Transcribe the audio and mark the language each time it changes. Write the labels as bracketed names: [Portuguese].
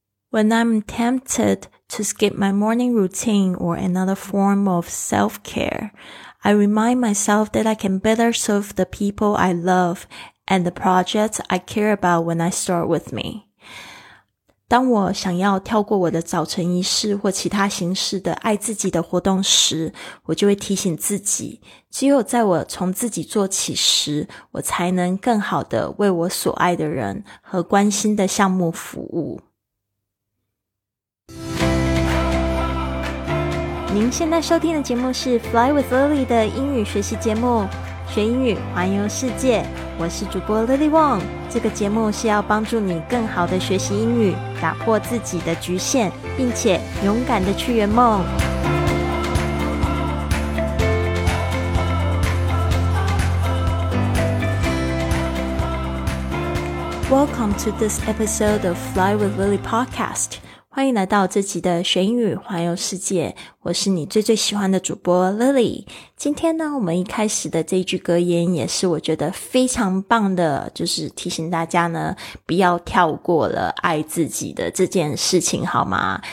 [English] When I'm tempted to skip my morning routine or another form of self-care, I remind myself that I can better serve the people I love and the projects I care about when I start with me. [Chinese] 当我想要跳过我的早晨仪式或其他形式的爱自己的活动时，我就会提醒自己，只有在我从自己做起时，我才能更好地为我所爱的人和关心的项目服务。您现在收听的节目是 Fly with Lily 的英语学习节目，学英语环游世界，我是主播 Lily Wong。这个节目是要帮助你更好的学习英语，打破自己的局限，并且勇敢的去圆梦。 [English] Welcome to this episode of Fly with Lily podcast。 [Chinese] 欢迎来到这集的学英语环游世界，我是你最最喜欢的主播 Lily。今天呢，我们一开始的这一句格言也是我觉得非常棒的，就是提醒大家呢，不要跳过了爱自己的这件事情，好吗？